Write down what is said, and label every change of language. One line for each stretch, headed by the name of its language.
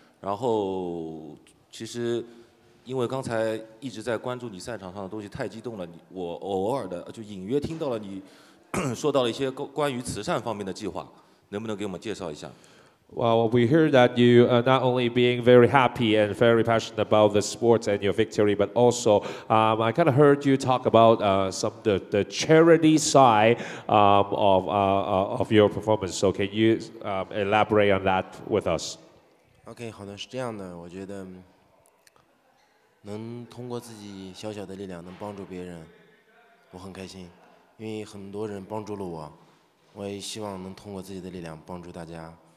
Chinese: 然后其实因为刚才一直在关注你赛场上的东西，太激动了。我偶尔的就隐约听到了你说到了一些关于慈善方面的计划，能不能给我们介绍一下？
English: Well, we hear that you are not only being very happy and very passionate about the sports and your victory, but also I kind of heard you talk about some of the charity side of your performance. So can you elaborate on that with us?
Chinese: Okay, 好的，是这样的，我觉得能通过自己小小的力量能帮助别人，我很开心，因为很多人帮助了我，我也希望能通过自己的力量帮助大家。